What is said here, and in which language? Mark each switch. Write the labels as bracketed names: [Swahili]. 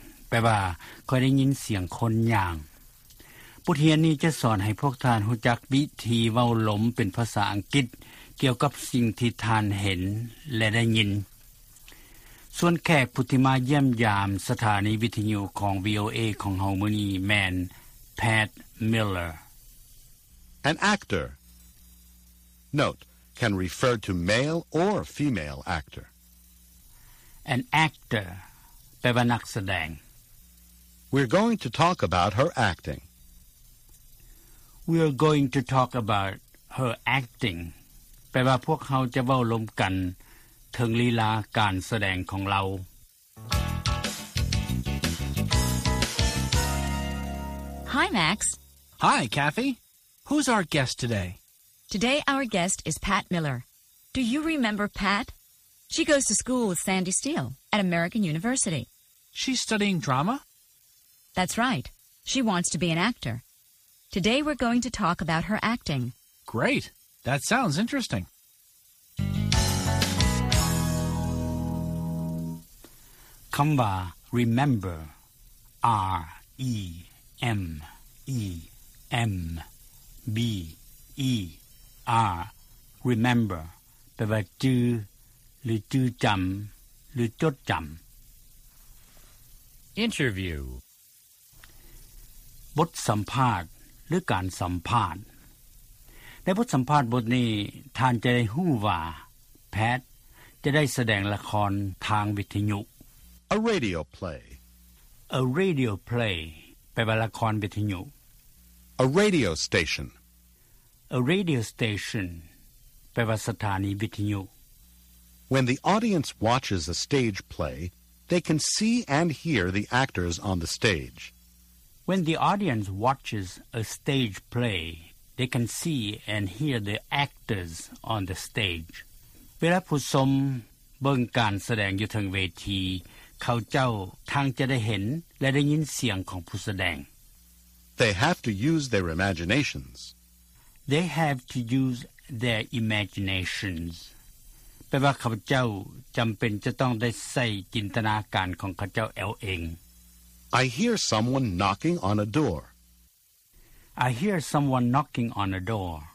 [Northeastern Thai] แปลว่าข้อยได้ยินเสียงคนย่างบทเรียนนี้จะสอนให้พวกท่านรู้จักวิธีเว้าล้มเป็นภาษาอังกฤษเกี่ยวกับสิ่งที่ท่านเห็นและได้ยินส่วนแขกผู้ที่มาเยี่ยมยามสถานีวิทยุของ VOA ของเฮามื้อนี้แมนแพท Miller [English] An actor Note can refer to male or female actor An actor [Northeastern Thai] แปลว่านักแสดง [English] We're going to talk about her acting We are going to talk about her acting. [Northeastern Thai] แปลว่าพวกเขาจะเว้าล้มกันถึงลีลาการแสดงของเรา [English] Hi, Max. Hi, Kathy. Who's our guest today? Today our guest is Pat Miller. Do you remember Pat? She goes to school with Sandy Steele at American University. She's studying drama? That's right. She wants to be an actor. Today we're going to talk about her acting. Great. That sounds interesting. [Northeastern Thai] คำว่า remember R-E-M-E-M-B-E-R remember แปลว่าจื้อหรือจื้อจำหรือจดจำ [English] Interview [Northeastern Thai] บทสัมภาษณ์หรือการสัมภาษณ์ในบทสัมภาษณ์บทนี้ท่านจะได้ฮู้ว่าแพทจะได้แสดงละครทางวิทยุ [English] A radio play a radio play [Northeastern Thai] แปลว่าละครวิทยุ [English] a radio station a radio station [Northeastern Thai] แปลว่าสถานีวิทยุ [English] when the audience watches a stage play they can see and hear the actors on the stage when the audience watches a stage play they can see and hear the actors on the stage [Northeastern Thai] เวลาผู้ชมเบิ่งการแสดงอยู่ทางเวทีเขาเจ้าทางจะได้เห็นและได้ยินเสียงของผู้แสดง [English] They have to use their imaginations. They have to use their imaginations. [Northeastern Thai] แปลว่าเขาเจ้าจำเป็นจะต้องได้ใส่จินตนาการของเขาเจ้าเอาเอง [English] I hear someone knocking on a door. I hear someone knocking on a door.